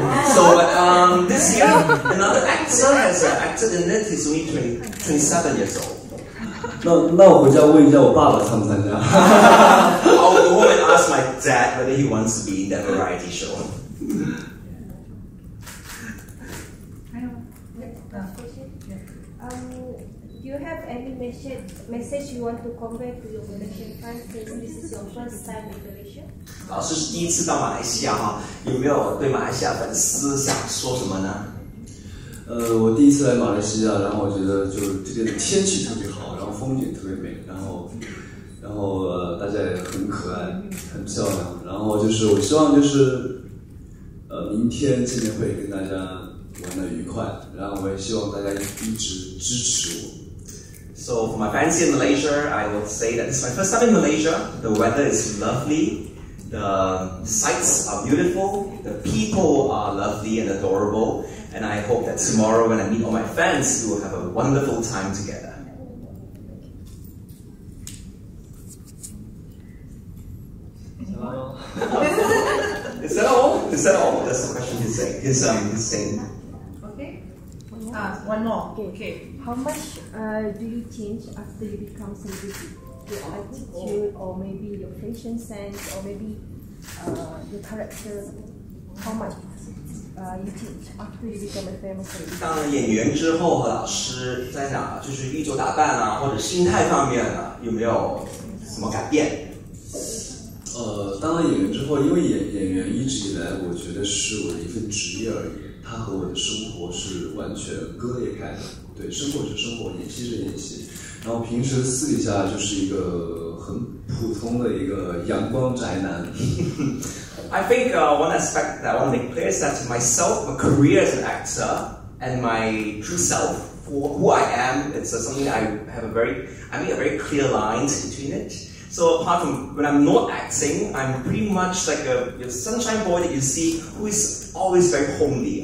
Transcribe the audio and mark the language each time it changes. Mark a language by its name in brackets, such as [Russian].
[English] So, this year, another actor has acted in it. He's only 27 years old. [Chinese] 那我回家问一下我爸爸参不参加。 [English] I'll go and ask my dad whether he wants to be in that variety show. [Chinese] 还有，那 [English] Do you have any message you want to convey to your Malaysian fans since this is your first time in Malaysia? [Chinese] 老师是第一次到马来西亚哈，有没有对马来西亚粉丝想说什么呢？我第一次来马来西亚，然后我觉得就这边的天气特别好，然后风景特别美，然后大家也很可爱，很漂亮。然后就是我希望就是，明天见面会跟大家玩得愉快，然后我也希望大家一直支持我。 [English] So for my fans in Malaysia, I would say that this is my first time in Malaysia. The weather is lovely, the sights are beautiful, the people are lovely and adorable, and I hope that tomorrow when I meet all my fans, we will have a wonderful time together. Hello. Is that all? Is that all? That's the question he's saying. He's saying. Okay. One more. Okay. How much do you change after you become celebrity? Your attitude, or maybe your fashion sense, or maybe your character. How much you change after you become a famous celebrity? [Chinese] 当了演员之后和老师在讲，就是衣着打扮啊，或者心态方面啊，有没有什么改变？当了演员之后，因为演员一直以来，我觉得是我的一份职业而已，它和我的生活是完全割裂开的。对，生活是生活，演戏是演戏，然后平时私底下就是一个很普通的一个阳光宅男。 [English] I think one aspect that I want to make clear is that myself, my career as an actor, and my true self, for who I am, it's something I have a very clear line between it. So apart from when I'm not acting, I'm pretty much like a sunshine boy that you see, who is always very homely.